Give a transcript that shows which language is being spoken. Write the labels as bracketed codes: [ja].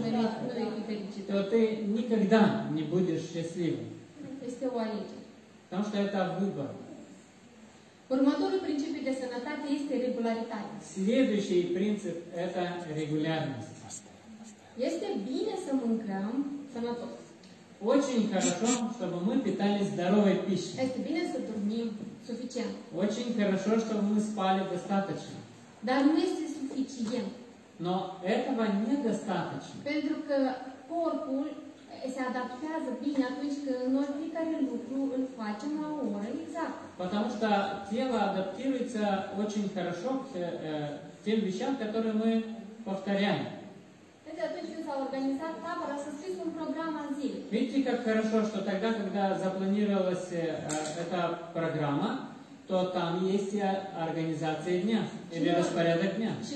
[ru] будет. То ты никогда не будешь счастливым. Если у Алики. Потому что это выбор. [ro] Următорul principiu de sănătate este regularitatea. [ru] Следующий принцип это регулярность. [ro] Este bine să mâncăm sănătos. [ru] Очень хорошо, чтобы мы питались здоровой пищей. [ro] Este bine să dormim suficient. [ru] Очень хорошо, чтобы мы спали достаточно. [ro] Dar nu este suficient. [ru] Но этого недостаточно. [ro] Pentru că corpul se adaptează bine atunci când noi fiecare lucru îl facem la o oră exact. [ru] Потому что тело адаптируется очень хорошо к тем вещам, которые мы повторяем. [ro] Deci atunci când s-a organizat tabăra, să scrieți un program al zilei. [ru] Видите, как хорошо, что тогда, когда запланировалась эта программа, то там есть и организация дня, или распорядок дня.